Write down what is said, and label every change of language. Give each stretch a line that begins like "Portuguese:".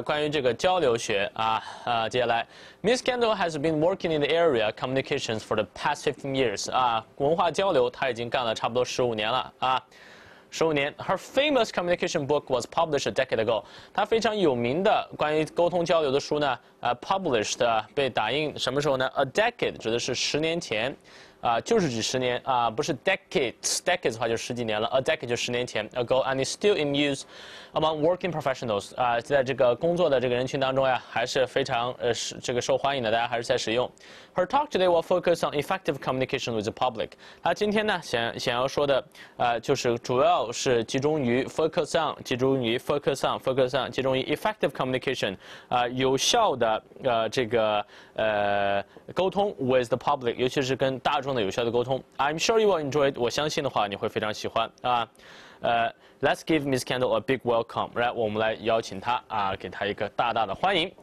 Chinese: 关于这个交流学啊啊，接下来
English: Miss Kendall has been working in the area communications for the past 15 years.
Chinese: 啊，文化交流他已经干了差不多十五年了啊。
English: 15年 ，Her famous communication book was published a decade ago.
Chinese: 她非常有名的关于沟通交流的书呢，published 被打印什么时候呢 ？
English: A decade
Chinese: 指的是十年前，就是指十年啊，不是 decades。
English: decades
Chinese: 的话就十几年了
English: ，a decade
Chinese: 就十年前
English: ago, and is still in use among working professionals.
Chinese: 在这个工作的这个人群当中呀，还是非常这个受欢迎的，大家还是在使用。
English: Her talk today will focus on effective communication with the public.
Chinese: 她今天呢，想要说的，就是主要。是集中于 focus on， 集中于 focus on， focus on， 集中于
English: effective communication，
Chinese: 有效的这个沟通
English: with the public，
Chinese: 尤其是跟大众的有效的沟通。
English: I'm sure you will enjoy it，
Chinese: 我相信的话你会非常喜欢啊。
English: Let's give Miss Kendall a big welcome， right？
Chinese: 我们来邀请她啊，给她一个大大的欢迎。